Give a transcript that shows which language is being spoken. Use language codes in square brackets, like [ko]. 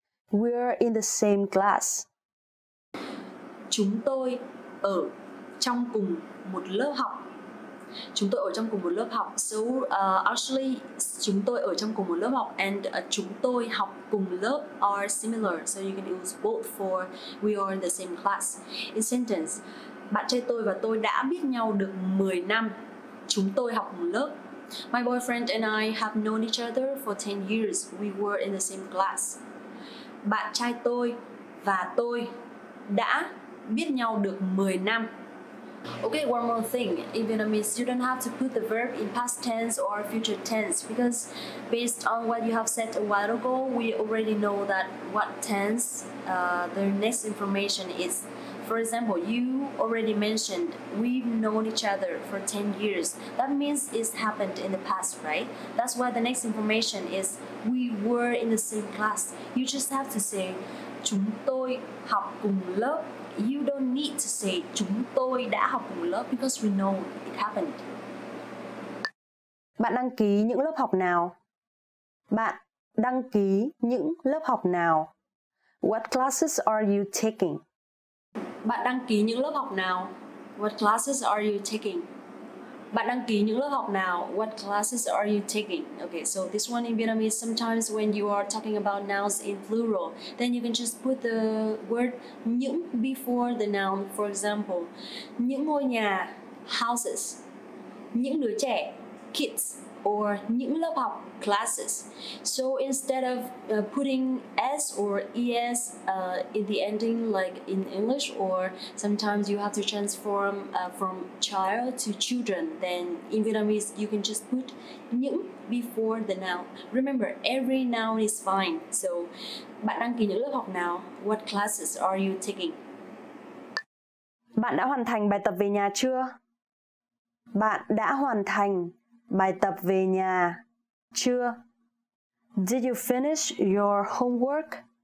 [en] We're in the same class. [vi] Chúng tôi ở trong cùng một lớp học. Chúng tôi ở trong cùng một lớp học. [en] So, actually, [vi] chúng tôi ở trong cùng một lớp học [en] and [vi] chúng tôi học cùng lớp [en] are similar. So you can use both for we are in the same class. In sentence, [vi] bạn trai tôi và tôi đã biết nhau được 10 năm. Chúng tôi học cùng lớp. [en] My boyfriend and I have known each other for 10 years. We were in the same class. [vi] Bạn trai tôi và tôi đã biết nhau được 10 năm. [en] Okay, one more thing. In Vietnamese, you don't have to put the verb in past tense or future tense because based on what you have said a while ago, we already know that what tense the next information is. For example, you already mentioned we've known each other for 10 years. That means it's happened in the past, right? That's why the next information is we were in the same class. You just have to say [vi] chúng tôi học cùng lớp. [en] You don't need to say [vi] chúng tôi đã học cùng lớp [en] because we know it happened. [vi] Bạn đăng ký những lớp học nào? Bạn đăng ký những lớp học nào? [en] What classes are you taking? [vi] Bạn đăng ký những lớp học nào? [en] What classes are you taking? [vi] Bạn đăng ký những lớp học nào? [en] What classes are you taking? Okay, so this one in Vietnamese, sometimes when you are talking about nouns in plural, then you can just put the word những before the noun. For example, [vi] những ngôi nhà, [en] houses, [vi] những đứa trẻ, [en] kids, or [vi] những lớp học, [en] classes. So instead of putting S or ES in the ending like in English, or sometimes you have to transform from child to children, then in Vietnamese you can just put những before the noun. Remember, every noun is fine. So [vi] bạn đăng ký những lớp học nào? [en] What classes are you taking? [vi] Bạn đã hoàn thành bài tập về nhà chưa? Bạn đã hoàn thành bài tập về nhà chưa? [en] Did you finish your homework?